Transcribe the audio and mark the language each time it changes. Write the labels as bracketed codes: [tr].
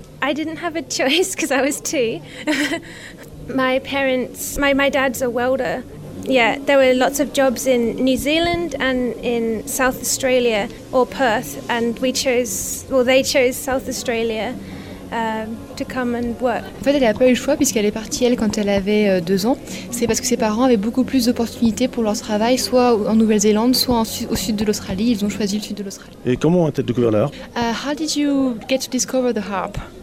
[en] I didn't have a choice because I was two. My dad's a welder. Yeah, there were lots of jobs in New Zealand and in South Australia or Perth, and they chose South Australia to come and work. [fr] En fait, elle n'a pas eu le choix puisqu'elle est partie elle quand elle avait 2 ans. C'est parce que ses parents avaient beaucoup plus d'opportunités pour leur travail, soit en Nouvelle-Zélande, soit au sud de l'Australie. Ils ont choisi le sud de l'Australie. Et comment as-tu découvert la harpe? [en] How did you get to discover the harp?